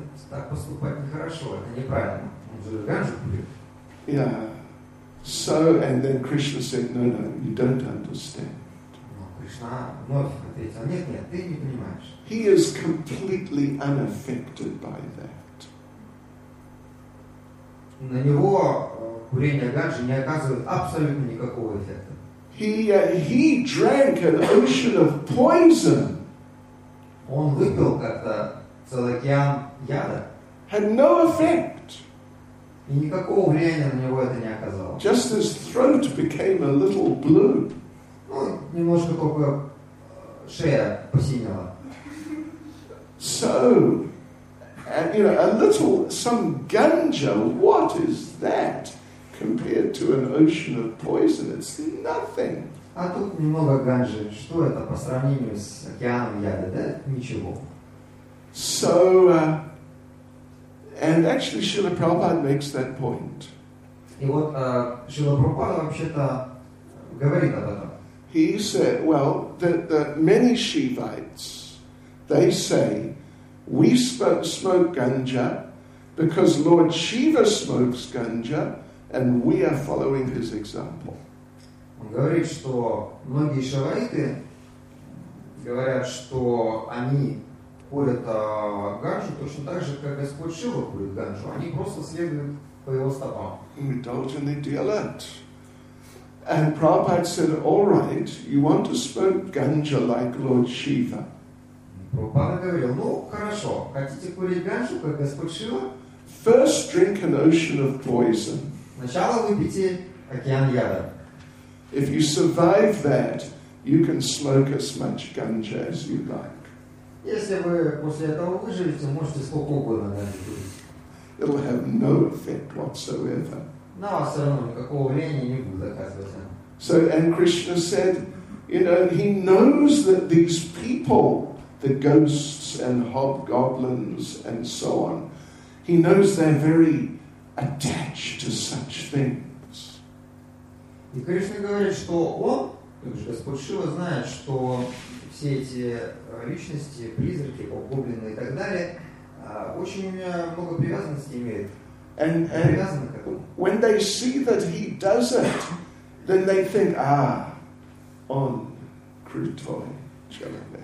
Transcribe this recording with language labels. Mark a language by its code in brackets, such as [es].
[ru] Так поступать нехорошо, это неправильно. Он же ганджу курит. [en] Yeah. So, and then Krishna said, no, no, you don't understand. [ru] Но Кришна вновь ответил, нет, нет, ты не понимаешь. [en] He is completely unaffected by that. [ru] На него курение ганджи не оказывает абсолютно никакого эффекта. [en] He drank an ocean of poison. [ru] Он выпил как-то целый океан яда. [en] Had no effect. [ru] И никакого влияния на него это не оказало. [en] Just his throat became a little blue. [ru] Ну, немножко только шея посинела. [en] So, and you know, a little, some ganja, what is that compared to an ocean of poison? It's nothing. [ru] А тут немного ганжи. Что это по сравнению с океаном яда? Да, ничего. [en] So, and actually Srila Prabhupada makes that point. [ru] И вот Srila Prabhupada вообще-то говорит об этом. [en] He said, well, the many Shivites, they say, we smoke ganja because Lord Shiva smokes ganja and we are following his example. [ru] Он говорит, что многие шиваиты говорят, что они курят ганджу точно так же, как Господь Шива курит ганджу. Они просто следуют по его стопам. [en] Indulgently deal it. And Prabhupada said, all right, you want to smoke ganja like Lord Shiva. [ru] Прабхупада говорил, ну хорошо, хотите курить ганджу, как Господь Шива? [en] First drink an ocean of poison. [ru] Сначала выпейте океан яда. [en] If you survive that, you can smoke as much ganja as you like. [ru] Если вы после этого выживете, можете сколько угодно ганджи курить. [en] It'll have no effect whatsoever. [ru] На вас все равно никакого влияния не будет оказываться. [en] So, and Krishna said, you know, he knows that these people, the ghosts and hobgoblins and so on, he knows they're very attached to such things. [ru] И Кришна говорит, что он, также Господь Шива, знает, что все эти личности, призраки, гоблины и так далее, очень много привязанностей имеют. [en] And [ru] привязаны к этому. [en] When they see that he does it, then they think, ah, [ru] он крутой человек.